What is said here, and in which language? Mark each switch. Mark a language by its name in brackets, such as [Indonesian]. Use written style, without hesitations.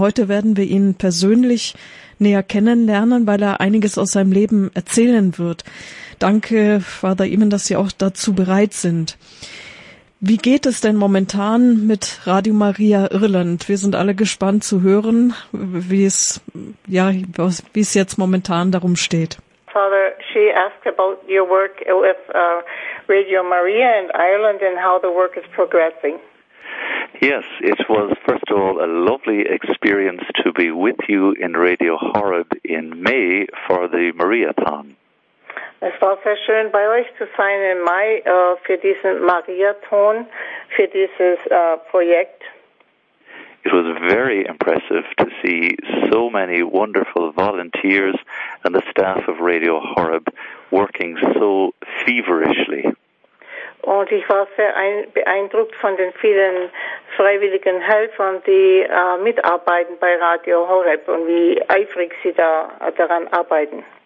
[German] Heute werden wir ihn persönlich näher kennenlernen, weil er einiges aus seinem Leben erzählen wird. Danke, Father Eamon, dass Sie auch dazu bereit sind. Wie geht es denn momentan mit Radio Maria Irland? Wir sind alle gespannt zu hören, wie es jetzt momentan darum steht. [English] Father, she asked about your work with Radio Maria in Ireland and how the work is progressing. Yes, it was first of all a lovely experience to be with you in Radio Horeb in May for the Mariathon. [German] Es war sehr schön, bei euch zu sein im Mai für diesen Mariathon, für dieses Projekt. [English] It was very impressive to see so many wonderful volunteers and the staff of Radio Horeb working so feverishly. [German] Und ich war sehr beeindruckt von den vielen freiwilligen Helfern, die mitarbeiten bei Radio Horeb und wie eifrig sie da daran arbeiten.